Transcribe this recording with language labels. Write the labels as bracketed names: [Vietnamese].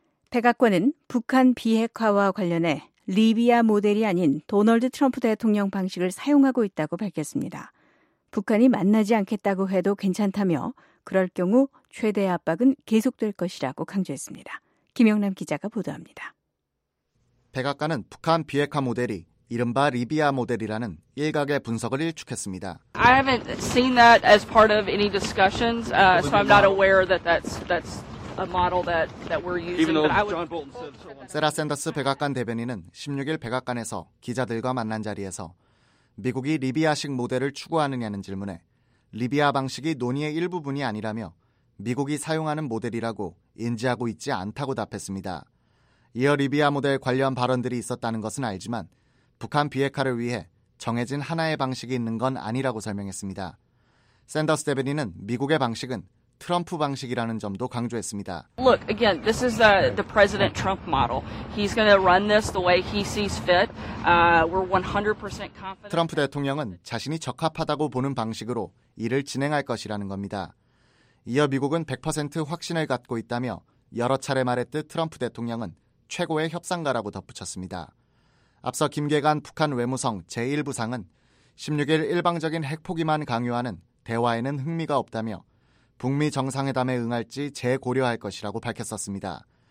[Korean] 백악관은 북한 비핵화와 관련해 리비아 모델이 아닌 도널드 트럼프 대통령 방식을 사용하고 있다고 밝혔습니다. 북한이 만나지 않겠다고 해도 괜찮다며 그럴 경우 최대 압박은 계속될 것이라고 강조했습니다. 김영남 기자가 보도합니다. 백악관은 북한 비핵화 모델이 이른바 리비아 모델이라는 일각의 분석을 일축했습니다. [English] I haven't seen that as part of any discussions, so I'm not aware that that's a model that we're using. Even though John Bolton said so. [Korean] 세라 샌더스 백악관 대변인은 16일 백악관에서 기자들과 만난 자리에서 미국이 리비아식 모델을 추구하느냐는 질문에 리비아 방식이 논의의 일부분이 아니라며 미국이 사용하는 모델이라고 인지하고 있지 않다고 답했습니다. 이어 리비아 모델 관련 발언들이 있었다는 것은 알지만 북한 비핵화를 위해 정해진 하나의 방식이 있는 건 아니라고 설명했습니다. 샌더스 대변인은 미국의 방식은 트럼프 방식이라는 점도 강조했습니다. [English] Look, again, this is the President Trump model. He's going to run this the way he sees fit. We're 100% confident. [Korean] 트럼프 대통령은 자신이 적합하다고 보는 방식으로 이를 진행할 것이라는 겁니다. 이어 미국은 100% 확신을 갖고 있다며 여러 차례 말했듯 트럼프 대통령은 최고의 협상가라고 덧붙였습니다. 앞서 김계관 북한 외무성 제1부상은 16일 일방적인 핵포기만 강요하는 대화에는 흥미가 없다며 북미 정상회담에 응할지 재고려할 것이라고 밝혔었습니다.